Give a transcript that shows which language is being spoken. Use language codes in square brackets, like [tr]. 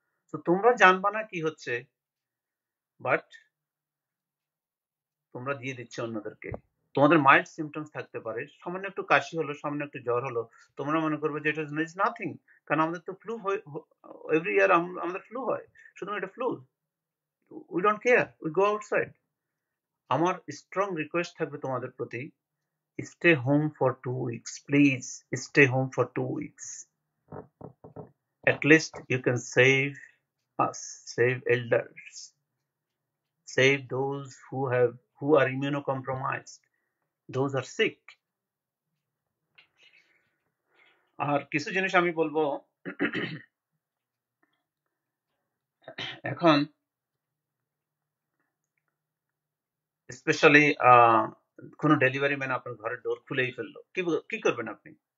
[bn] তো তোমরা জানবা না কি হচ্ছে, বাট তোমরা দিয়ে দিচ্ছ অন্যদেরকে। তোমাদের মাইল্ড সিমটমস থাকতে পারে, সামান্য একটু কাশি হলো, সামান্য একটু জ্বর হলো, তোমরা মনে করবে যে [en] it is nothing, [bn] কারণ আমাদের তো ফ্লু হয়, এভরি ইয়ার আমাদের ফ্লু হয়, শুধু এটা flu, [en] We don't care, we go outside. [bn] আমার স্ট্রং রিকোয়েস্ট থাকবে তোমাদের প্রতি, [en] Stay home for 2 weeks, please stay home for 2 weeks. At least you can save us, save elders, save those who are immunocompromised, those are sick. [bn] আর কিছু জিনিস আমি বলবো, এখন specially কোনো ডেলিভারি ম্যান আপনার ঘরের ডোর খুলেই ফেললো, কি করবেন আপনি?